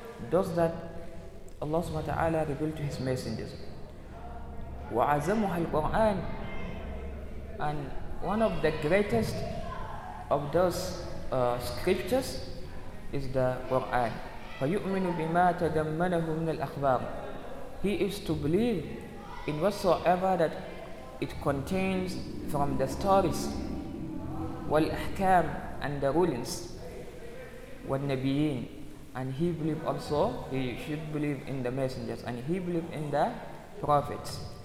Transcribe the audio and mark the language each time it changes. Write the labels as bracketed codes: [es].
[en] Those that Allah SWT revealed to his messengers. [ar] وعزمها القرآن. [en] And one of the greatest of those scriptures is the Quran. [ar] فيؤمن بما تضمنه من الأخبار. [en] He is to believe in whatsoever that it contains from the stories. [ar] والأحكام. [en] And the rulings. [ar] والنبيين. [en] And he believed also, he should believe in the messengers, and he believed in the prophets.